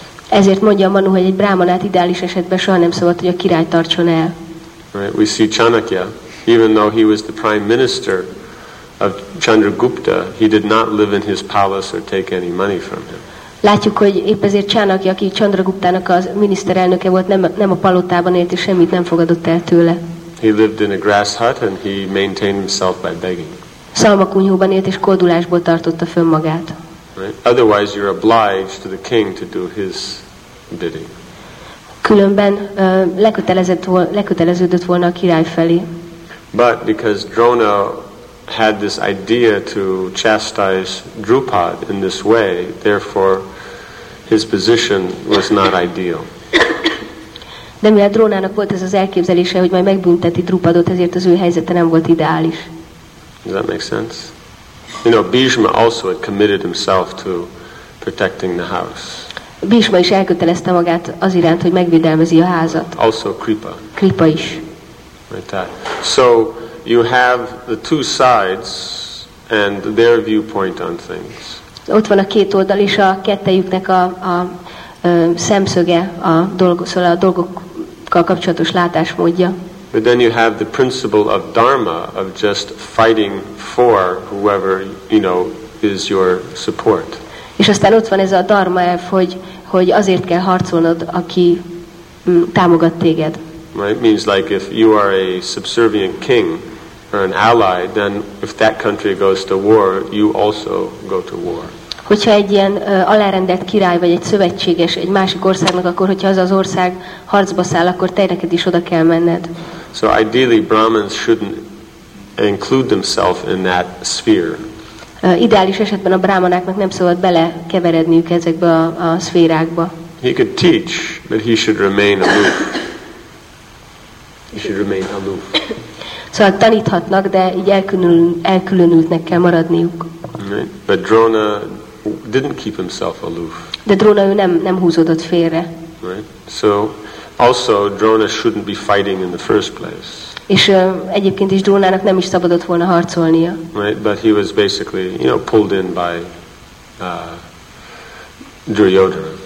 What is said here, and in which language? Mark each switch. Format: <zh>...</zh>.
<hu>Ezért mondja Manu, hogy egy brámanát ideális esetben soha nem szabad, hogy a király tartson el.</hu> <en>Right, we see Chanakya, even though he was the prime minister of Chandragupta, he did not live in his palace or take any money from him.</en> <hu>Látjuk, hogy épp ezért Chanakya, aki Chandraguptának az miniszterelnöke volt, nem a palotában élt, és semmit nem fogadott el tőle.</hu> <en>He lived in a grass hut and he maintained himself by begging.</en> <hu>Szalmakunyhóban élt, és kódulásból tartotta fönn magát.</hu> <en>Right? Otherwise you're obliged to the king to do his bidding.</en> <hu>Különben leköteleződött volna a király felé.</hu> <en>But because Drona had this idea to chastise Drupad in this way, therefore his position was not ideal.</en> <hu>De mivel Drónának volt ez az elképzelése, hogy majd megbünteti Drupadot, ezért az ő helyzete nem volt ideális.</hu> <en>Does that make sense? You know, Bhishma also had committed himself to protecting the house.</en> <hu>Bhishma is elkötelezte magát az iránt, hogy megvédelmezi a házat.</hu> <en>Also Kripa.</en> <hu>Kripa is.</hu> <en>Right. That. So you have the two sides and their viewpoint on things.</en> <hu>Ott van a két oldal és a kettejüknek a szemszöge a dolgok, szóval a dolgokkal kapcsolatos látásmódja.</hu> <en>But then you have the principle of dharma of just fighting for whoever, you know, is your support.</en> <hu>És aztán ott van ez a dharma elv, hogy azért kell harcolnod, aki támogat téged.</hu> <en>Right? Means like if you are a subservient king or an ally, then if that country goes to war, you also go to war.</en> <hu>Hogyha egy ilyen alárendelt király vagy egy szövetséges egy másik országnak, akkor hogyha az az ország harcba száll, akkor te neked is oda kell menned.</hu> <en>So ideally Brahmins shouldn't include themselves in that sphere.</en> <hu>Ideális esetben a brámanáknak nem szabad bele keveredniük ezekbe a szférákba.</hu> <en>He could teach, but he should remain aloof. He should remain aloof.</en> <hu>Szóval taníthatnak, de így elkülönültnek kell maradniuk.</hu> <en>Right. But Drona didn't keep himself aloof.</en> <hu>De Drona ő nem húzódott félre.</hu> <en>Right. So also Drona shouldn't be fighting in the first place.</en> <hu>És egyébként is Drónának nem is szabadott volna harcolnia.</hu> <en>Right. But he was basically, you know, pulled in by Duryodhana.</en>